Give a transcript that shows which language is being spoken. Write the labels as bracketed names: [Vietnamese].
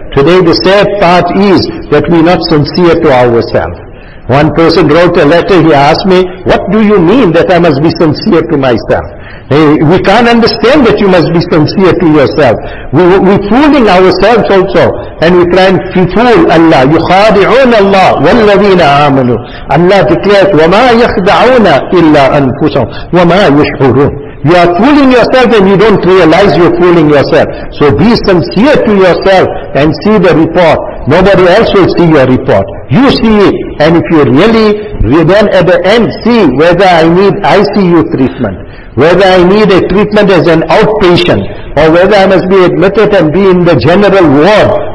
[English] Today the sad part is that we're not sincere to ourselves. One person wrote a letter, he asked me, what do you mean that I must be sincere to myself? Hey, we can't understand that you must be sincere to yourself. We're fooling ourselves also. And we try and fool Allah. [Arabic] يُخَادِعُونَ اللَّهِ وَالَّذِينَ آمَنُوا. [English] Allah declares, [Arabic] وَمَا يَخْدَعُونَ إِلَّا أَنْفُسَهُمْ وَمَا يَشْعُرُونَ. [English] You are fooling yourself and you don't realize you're fooling yourself. So be sincere to yourself and see the report. Nobody else will see your report. You see it. And if you really, then at the end see whether I need ICU treatment, whether I need a treatment as an outpatient, or whether I must be admitted and be in the general ward.